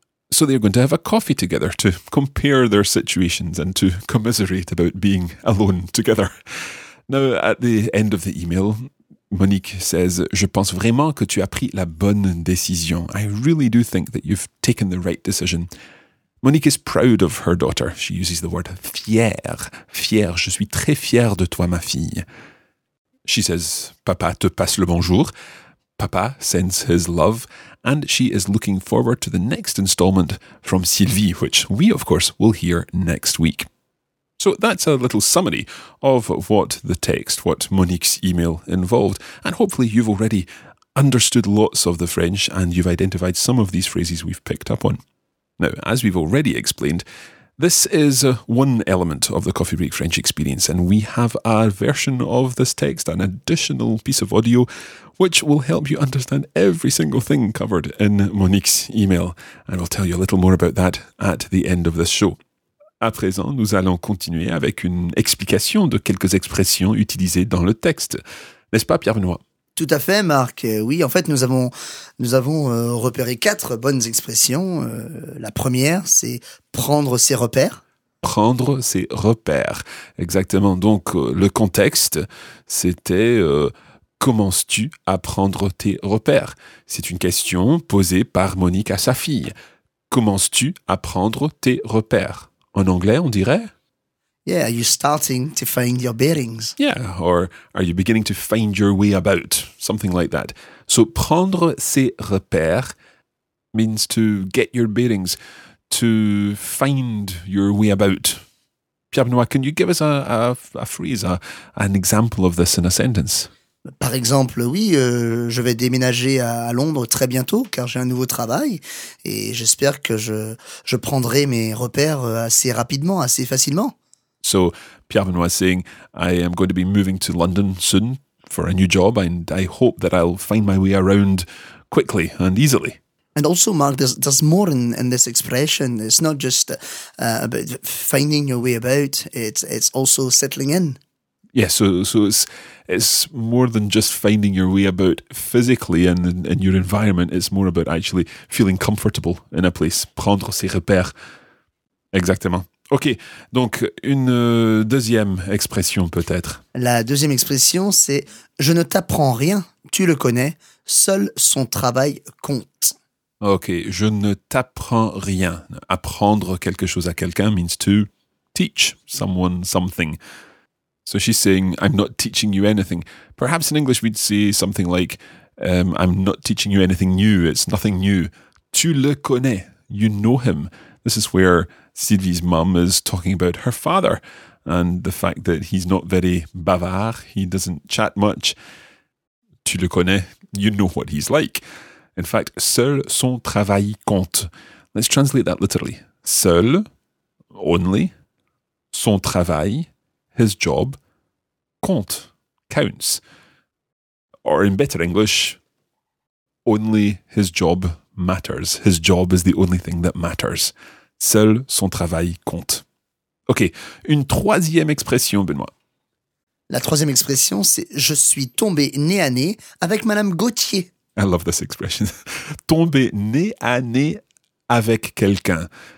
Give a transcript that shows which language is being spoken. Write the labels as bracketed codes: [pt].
[en] So they're going to have a coffee together to compare their situations and to commiserate about being alone together. Now, at the end of the email, Monique says, [fr] Je pense vraiment que tu as pris la bonne décision. [en] I really do think that you've taken the right decision. Monique is proud of her daughter. She uses the word fière. [fr] Fière, je suis très fière de toi, ma fille. [en] She says, [fr] Papa te passe le bonjour. [en] Papa sends his love. And she is looking forward to the next installment from Sylvie, which we, of course, will hear next week. So that's a little summary of what the text, what Monique's email involved. And hopefully you've already understood lots of the French and you've identified some of these phrases we've picked up on. Now, as we've already explained, this is one element of the Coffee Break French experience, and we have a version of this text, an additional piece of audio, which will help you understand every single thing covered in Monique's email. And I'll tell you a little more about that at the end of this show. [fr] À présent, nous allons continuer avec une explication de quelques expressions utilisées dans le texte. N'est-ce pas, Pierre-Benoît? Tout à fait, Marc. Oui, en fait, nous avons repéré quatre bonnes expressions. La première, c'est prendre ses repères. Prendre ses repères. Exactement. Donc, le contexte, c'était commences-tu à prendre tes repères? C'est une question posée par Monique à sa fille. Commences-tu à prendre tes repères? En anglais, on dirait... [en] Yeah, are you starting to find your bearings? Yeah, or are you beginning to find your way about? Something like that. So, prendre ses repères means to get your bearings, to find your way about. Pierre-Benoît, can you give us a phrase, an example of this in a sentence? [fr] Par exemple, oui, je vais déménager à Londres très bientôt car j'ai un nouveau travail et j'espère que je prendrai mes repères assez rapidement, assez facilement. [en] So, Pierre-Benoît is saying, I am going to be moving to London soon for a new job and I hope that I'll find my way around quickly and easily. And also, Mark, there's more in this expression. It's not just about finding your way about, it's also settling in. Yeah, so it's more than just finding your way about physically and in your environment. It's more about actually feeling comfortable in a place. [fr] Prendre ses repères. Exactement. Ok, donc une deuxième expression peut-être. La deuxième expression, c'est « Je ne t'apprends rien, tu le connais, seul son travail compte. » Ok, « Je ne t'apprends rien. » Apprendre quelque chose à quelqu'un [en] means to teach someone something. So she's saying, I'm not teaching you anything. Perhaps in English we'd say something like, I'm not teaching you anything new, it's nothing new. [fr] Tu le connais, [en] you know him. This is where Sylvie's mum is talking about her father and the fact that he's not very bavard, he doesn't chat much. [fr] Tu le connais, [en] you know what he's like. In fact, [fr] seul son travail compte. [en] Let's translate that literally. Seul, only, son travail, his job, compte, counts. Or in better English, only his job matters. His job is the only thing that matters. [fr] Seul son travail compte. Ok, une troisième expression, Benoît. La troisième expression, c'est « Je suis tombé nez à nez avec Madame Gauthier ». [en] I love this expression. [fr] Tomber nez à nez avec quelqu'un.